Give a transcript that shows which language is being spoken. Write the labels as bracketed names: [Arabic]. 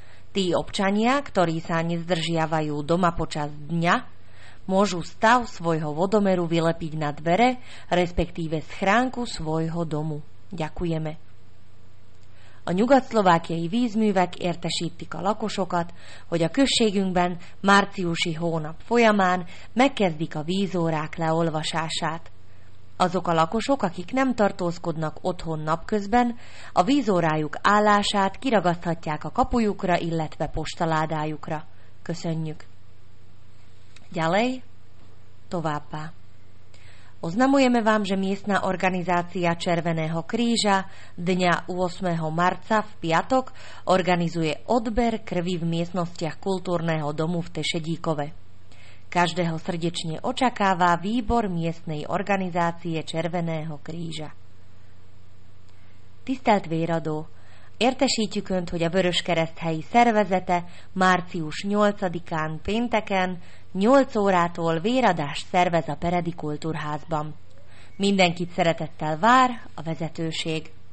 [Slovak] Tí občania, ktorí sa nezdržiavajú doma počas dňa, môžu stav svojho vodomeru vylepiť na dvere, respektíve schránku svojho domu. Ďakujeme. [Hungarian] A nyugatszlovákiai vízművek értesítik a lakosokat, hogy a községünkben márciusi hónap folyamán megkezdik a vízórák leolvasását. Azok a lakosok, akik nem tartózkodnak otthon napközben, a vízórájuk állását kiragaszthatják a kapujukra, illetve postaládájukra. Köszönjük! [Slovak] Ďalej, továbbá. Oznamujeme vám, že miestna organizácia Červeného kríža dňa 8. marca v piatok organizuje odber krvi v miestnostiach kultúrneho domu v Tešedíkove. Každého srdečne očakáva výbor miestnej organizácie Červeného kríža. [Hungarian] Tisztelt Véradó! Értesítjük Önt, hogy a Vöröskereszt helyi szervezete március 8-án pénteken 8 órától véradást szervez a Peredi Kultúrházban. Mindenkit szeretettel vár a vezetőség.